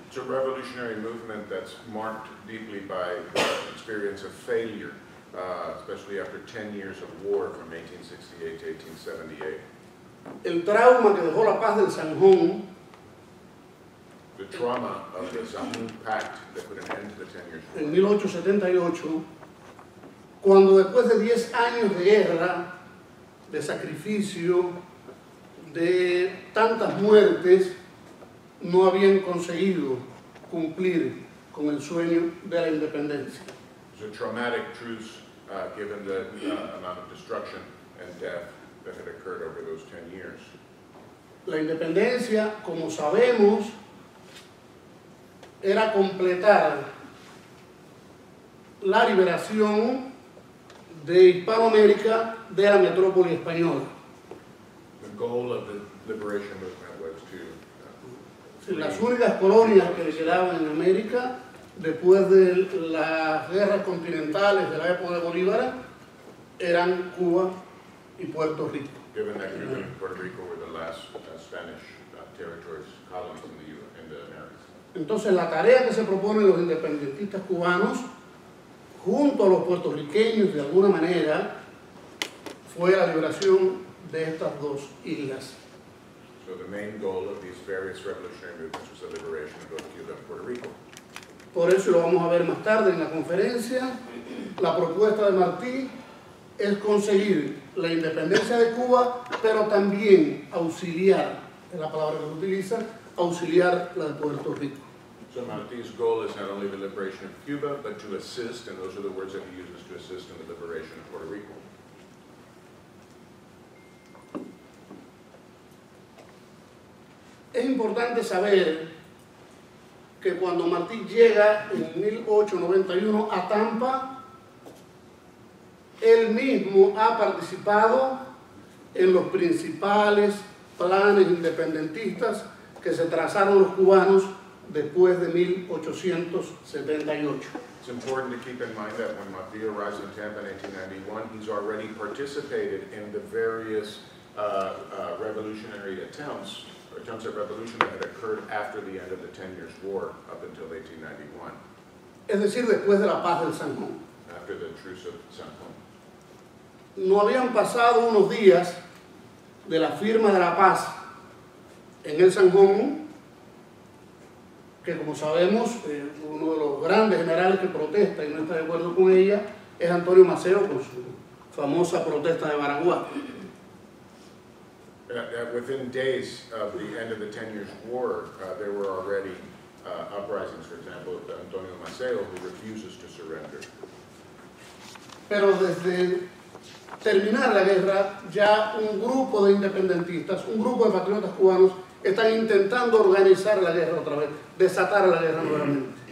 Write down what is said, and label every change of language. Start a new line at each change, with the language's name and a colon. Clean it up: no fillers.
English: It's a revolutionary movement that's marked deeply by the experience of failure, especially after 10 years of war from 1868 to 1878.
Spanish: El trauma que dejó la paz del San Juan.
English: The trauma of the San Juan Pact that put an end to the 10 years of war.
Spanish: En 1878, cuando después de 10 años de guerra, de sacrificio, de tantas muertes, no habían conseguido cumplir con el sueño de la independencia.
English: It was a traumatic truce, given the amount of destruction and death that had occurred over those 10 years.
Spanish: La independencia, como sabemos, era completar la liberación de Hispanoamérica de la metrópoli española.
English: The goal of the liberation movement was to
Spanish: las únicas colonias que quedaban en América después de las guerras continentales de la época de Bolívar eran Cuba y Puerto Rico.
English: Given that Cuba and Puerto Rico were the last Spanish territories, colonies in the Americas.
Spanish: Entonces la tarea que se proponen los independentistas cubanos junto a los puertorriqueños de alguna manera fue la liberación de estas dos islas.
English: So the main goal of these various revolutionary movements was the liberation of both Cuba and Puerto Rico.
Spanish: Por eso lo vamos a ver más tarde en la conferencia. La propuesta de Martí es conseguir la independencia de Cuba, pero también auxiliar, es la palabra que utiliza, auxiliar la de Puerto Rico.
English: So Martí's goal is not only the liberation of Cuba, but to assist, and those are the words that he uses, to assist in the liberation of Puerto Rico.
Spanish: Es importante saber que cuando Martí llega en 1891 a Tampa, él mismo ha participado en los principales planes independentistas que se trazaron los cubanos después de 1878.
English: It's important to keep in mind that when Martí arrives in Tampa in 1891, he's already participated in the various revolutionary attempts. Attempts at revolution that had occurred after the end of the 10 years war up until 1891.
Spanish: Es decir, después de la paz del San Juan.
English: After the truce of San Juan.
Spanish: No habían pasado unos días de la firma de la paz en el San Juan, que como sabemos, uno de los grandes generales que protesta y no está de acuerdo con ella es Antonio Maceo con su famosa protesta de Baraguá.
English: Within days of the end of the 10 years war, there were already uprisings, for example, of Antonio Maceo, who refuses to surrender.
Spanish: Pero desde terminar la guerra, ya un grupo de independentistas, un grupo de patriotas cubanos, están intentando organizar la guerra otra vez, desatar la guerra nuevamente.